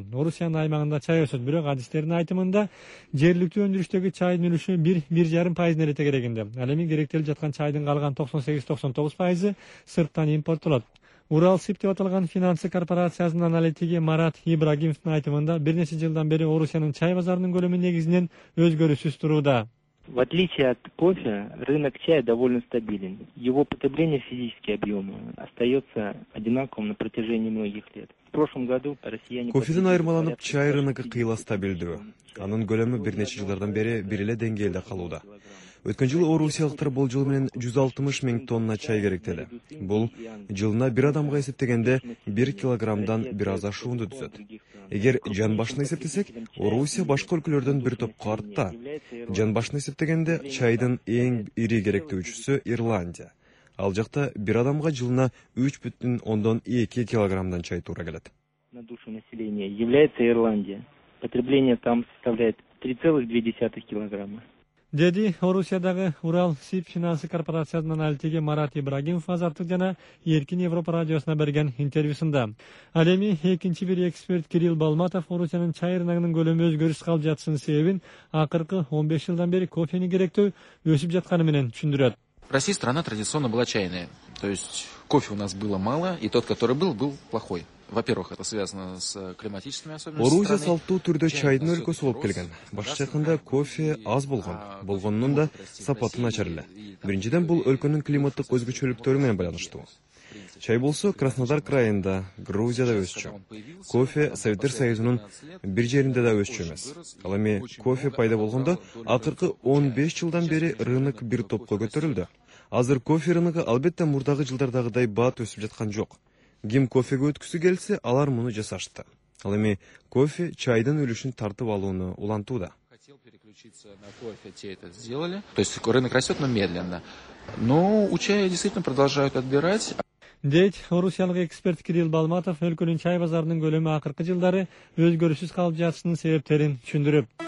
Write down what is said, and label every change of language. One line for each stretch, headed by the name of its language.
Kyrgyz: Орусиянын аймагында чай өсөт, бирок адистердин айтымында жергиликтүү өндүрүштөгү чайдын үлүшү 1-1.5% эрете керегинде. Ал эми керектелип жаткан чайдын калган 98-99% сырттан импортолот. Урал СИП деп аталган финансы корпорациясынын аналитиги Марат Ибрагимовдун айтымында бир нече жылдан бери Орусиянын чай базарынын көлөмү негизинен өзгөрүүсүз турууда.
Russian: В отличие от кофе, рынок чая довольно стабилен. Его потребление, физические объемы, остается одинаковым на протяжении многих лет.
Kyrgyz: Кофеден айырмаланып, чай рынокы кыйла стабилдүү. Анын көлөмү бир нече жылдардан бери бир эле деңгээлде калууда. Өткөн жылы орусиялыктар болжол менен 160 000 тонна чай керектеди. Бул жылына бир адамга эсептегенде 1 килограммдан бир аз ашуунду түзөт. Эгер жан башына эсептесек, Орусия башка өлкөлөрдөн бир топко артта. Жан башына эсептегенде чайдын эң ири керектөөчүсү Ирландия. Ал жакта бир адамга жылына 3.2 килограммдан чай туура келет.
Russian: На душу населения является Ирландия. Потребление там составляет 3.2 килограмма.
Kyrgyz: Деди Орусиядагы Урал СИП финансы корпорациясынын аналитиги Марат Ибрагимов азаттык жана Эркин Европа радиосуна берген интервьюсунда. Ал эми экинчи бир эксперт Кирилл Балматов Орусиянын чай рыногунун көлөмү өзгөрүш кылып жатышынын себебин акыркы 15 жылдан бери кофени керектөө өсүп жатканы менен түшүндүрөт.
Russian: Россия страна традиционно была чайная. То есть кофе у нас было мало, и тот, который был, был плохой. Во-первых, это связано с климатическими особенностями.
Kyrgyz: Орусия салттуу түрдө чайдын өлкөсү болуп келген. Башкы жакында кофе аз болгон. Болгонунун да сапаты начар эле. Биринчиден бул өлкөнүн климаттык өзгөчөлүктөрү менен байланыштуу. Чай болсо Краснодар крайында, Грузияда өсчү. Кофе Советтер Союзунун бир жеринде да өсчү эмес. Ал эми кофе пайда болгондо акыркы 15 жылдан бери рынок бир топко көтөрүлдү. Азыр кофе рыногу албетте мурдагы жылдардагыдай бат өсүп жаткан жок. Ким кофеге өткүсү келсе, алар муну жасашты. Ал эми кофе чайдын үлүшүн тартып алууну улантууда.
Russian: То есть рынок растет, но медленно. Но у чая действительно продолжают отбирать.
Kyrgyz: Дейт орусиялык эксперт Кирилл Балматов өлкөнүн чай базарынын көлөмү акыркы жылдары өзгөрүшсүз калып жатышынын себептерин түшүндүрүп.